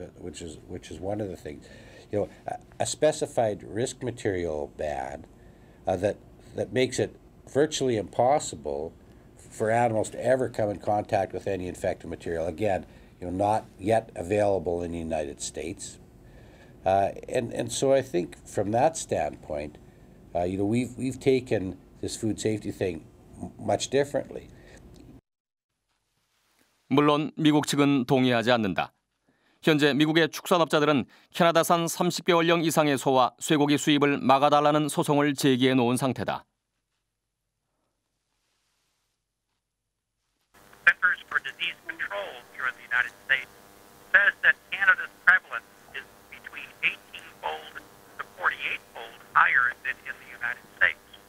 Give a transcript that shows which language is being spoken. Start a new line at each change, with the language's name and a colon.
English: Which is one of the things. You know, a specified risk material band that makes it virtually impossible for animals to ever come in contact with any infected material. Again, you know, not yet available in the United States. And so I think from that standpoint, you know, we've taken this food safety thing much differently.
Korean: 물론 미국 측은 동의하지 않는다. 현재 미국의 축산업자들은 캐나다산 30개월령 이상의 소와 쇠고기 수입을 막아달라는 소송을 제기해 놓은 상태다.
English: Centers for Disease Control here in the United States says that Canada's prevalence is between 18-fold to 48-fold higher than in the United States.